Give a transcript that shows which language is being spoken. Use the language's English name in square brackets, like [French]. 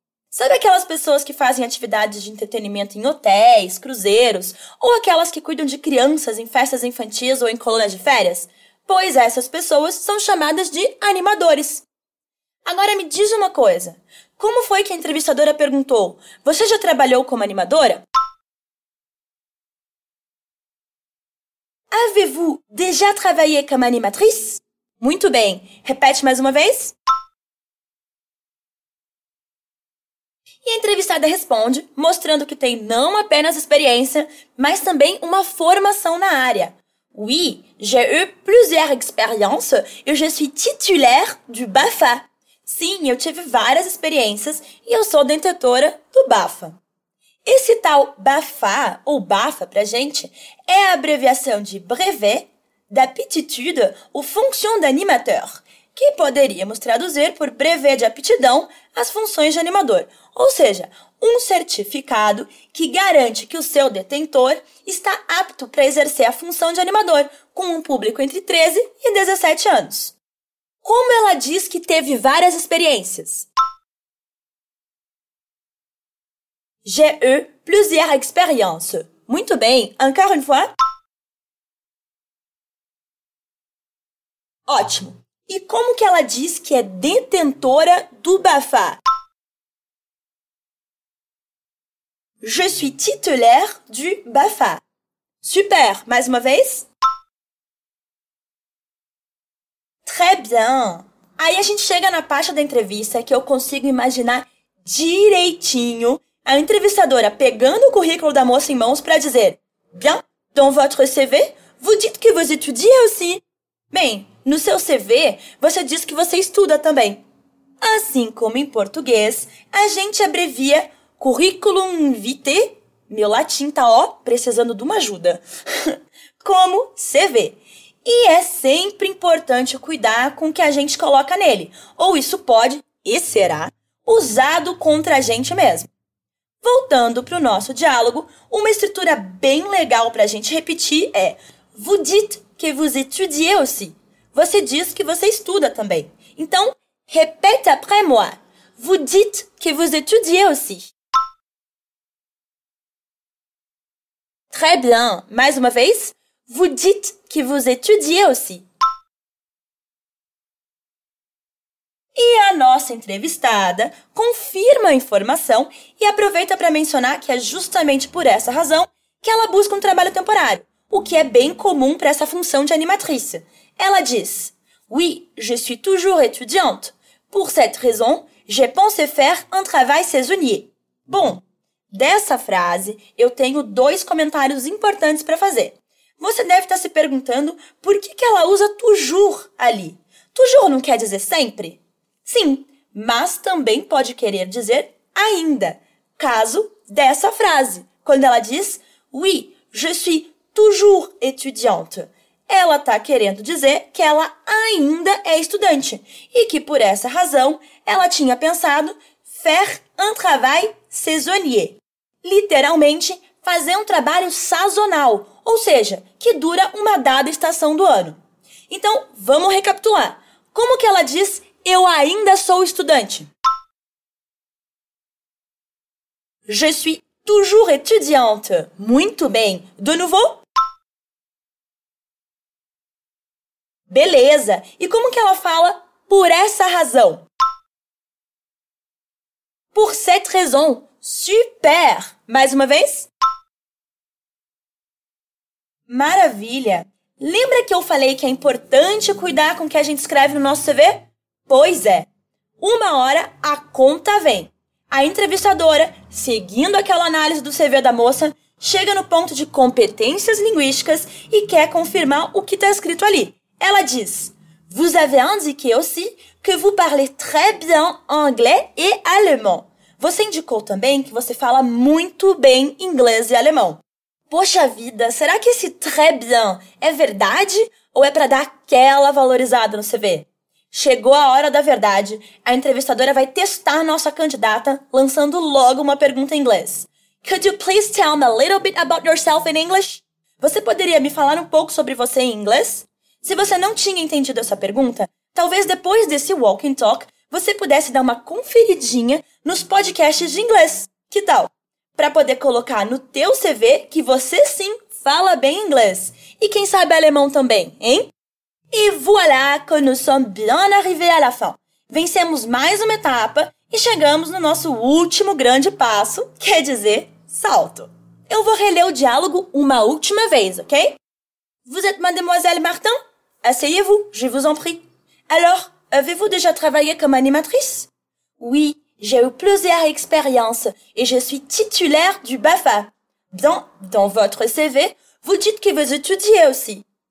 [Portuguese] Sabe aquelas pessoas que fazem atividades de entretenimento em hotéis, cruzeiros, ou aquelas que cuidam de crianças em festas infantis ou em colônias de férias? Pois essas pessoas são chamadas de animadores. Agora me diz uma coisa. Como foi que a entrevistadora perguntou: Você já trabalhou como animadora? [French] Avez-vous déjà travaillé comme animatrice? [Portuguese] Muito bem. Repete mais uma vez. E a entrevistada responde, mostrando que tem não apenas experiência, mas também uma formação na área. [French] Oui, j'ai eu plusieurs expériences et je suis titulaire du BAFA. [Portuguese] Sim, eu tive várias experiências e eu sou detentora do BAFA. Esse tal BAFA, ou BAFA pra gente, é a abreviação de Brevet d'Aptitude aux Fonctions d'Animateur, que poderíamos traduzir por Brevet de Aptidão às Funções de Animador, ou seja, um certificado que garante que o seu detentor está apto para exercer a função de animador, com um público entre 13 e 17 anos. Como ela diz que teve várias experiências? [French] J'ai eu plusieurs expériences. [Portuguese] Muito bem, [French] encore une fois. [Portuguese] Ótimo. E como que ela diz que é detentora do BAFA? [French] Je suis titulaire du BAFA. [Portuguese] Super, mais uma vez. [French] Très bien. [Portuguese] Aí a gente chega na parte da entrevista que eu consigo imaginar direitinho a entrevistadora pegando o currículo da moça em mãos para dizer: [French] Bien, dans votre CV, vous dites que vous étudiez aussi. [Portuguese] Bem, no seu CV, você diz que você estuda também. Assim como em português, a gente abrevia curriculum vitae, meu latim tá ó, precisando de uma ajuda, como CV. E é sempre importante cuidar com o que a gente coloca nele, ou isso pode, e será, usado contra a gente mesmo. Voltando para o nosso diálogo, uma estrutura bem legal para a gente repetir é: [French] Vous dites que vous étudiez aussi. [Portuguese] Você diz que você estuda também. Então, [French] répète après moi. Vous dites que vous étudiez aussi. Très bien. [Portuguese] Mais uma vez. [French] Vous dites que vous étudiez aussi. [Portuguese] E a nossa entrevistada confirma a informação e aproveita para mencionar que é justamente por essa razão que ela busca um trabalho temporário, o que é bem comum para essa função de animatrice. Ela diz: [French] Oui, je suis toujours étudiante. Pour cette raison, je pense faire un travail saisonnier. [Portuguese] Bom, dessa frase, eu tenho dois comentários importantes para fazer. Você deve estar se perguntando por que ela usa toujours ali. Toujours não quer dizer sempre? Sim, mas também pode querer dizer ainda, caso dessa frase, quando ela diz [French] Oui, je suis toujours étudiante. [Portuguese] Ela está querendo dizer que ela ainda é estudante e que, por essa razão, ela tinha pensado [French] faire un travail saisonnier. [Portuguese] Literalmente, fazer um trabalho sazonal, ou seja, que dura uma dada estação do ano. Então, vamos recapitular. Como que ela diz eu ainda sou estudante? [French] Je suis toujours étudiante. [Portuguese] Muito bem. [French] De nouveau? [Portuguese] Beleza. E como que ela fala por essa razão? [French] Pour cette raison. Super! [Portuguese] Mais uma vez? Maravilha! Lembra que eu falei que é importante cuidar com o que a gente escreve no nosso CV? Pois é! Uma hora a conta vem. A entrevistadora, seguindo aquela análise do CV da moça, chega no ponto de competências linguísticas e quer confirmar o que está escrito ali. Ela diz: [French] Vous avez indiqué aussi que vous parlez très bien anglais et allemand. [Portuguese] Você indicou também que você fala muito bem inglês e alemão. Poxa vida, será que esse [French] très bien [Portuguese] é verdade ou é para dar aquela valorizada no CV? Chegou a hora da verdade, a entrevistadora vai testar nossa candidata lançando logo uma pergunta em inglês. [English] Could you please tell me a little bit about yourself in English? [Portuguese] Você poderia me falar um pouco sobre você em inglês? Se você não tinha entendido essa pergunta, talvez depois desse [English] walk and talk, [Portuguese] você pudesse dar uma conferidinha nos podcasts de inglês. Que tal? Para poder colocar no teu CV que você sim fala bem inglês. E quem sabe alemão também, hein? [French] E voilà que nous sommes bien arrivés à la fin. [Portuguese] Vencemos mais uma etapa e chegamos no nosso último grande passo, quer dizer, salto. Eu vou reler o diálogo uma última vez, ok? [French] Vous êtes mademoiselle Martin? Asseyez-vous, je vous en prie. Alors, avez-vous déjà travaillé comme animatrice? Oui, j'ai eu plusieurs expériences et je suis titulaire du BAFA. Dans votre CV, vous dites que vous étudiez aussi.